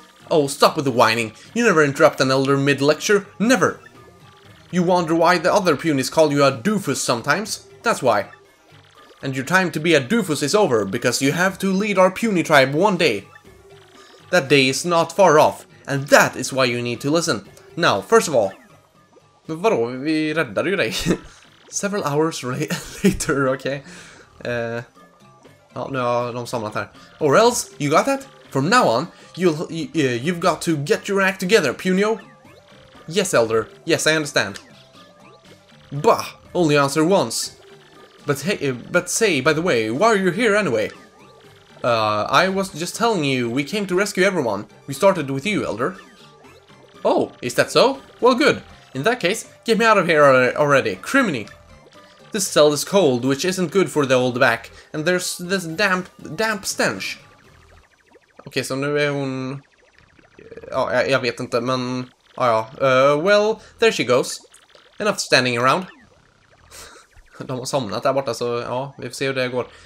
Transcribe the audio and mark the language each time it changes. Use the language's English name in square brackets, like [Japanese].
[English] Oh, stop with the whining. You never interrupt an elder mid-lecture. Never. You wonder why the other punies call you a doofus sometimes. That's why. And your time to be a doofus is over, because you have to lead our puny tribe one day. That day is not far off, and that is why you need to listen. Now, first of all... [Swedish] Men vadå, vi räddade ju dig. [English] Several hours later, [Swedish] okay. Ja, nu har de samlat här. [English] Or else, you got that? From now on, you've got to get your act together, punio. Yes, elder. Yes, I understand. Bah! Only answer once. But say, by the way, why are you here anyway? I was just telling you, we came to rescue everyone. We started with you, Elder. Oh, is that so? Well, good. In that case, get me out of here already. Criminy! This cell is cold, which isn't good for the old back. And there's this damp stench. [Swedish] Okej, så nu är hon... Ja, jag vet inte, men... Ah, ja. [English] Well, there she goes. Enough standing around. [Swedish] De har somnat där borta, så ja, vi får se hur det går.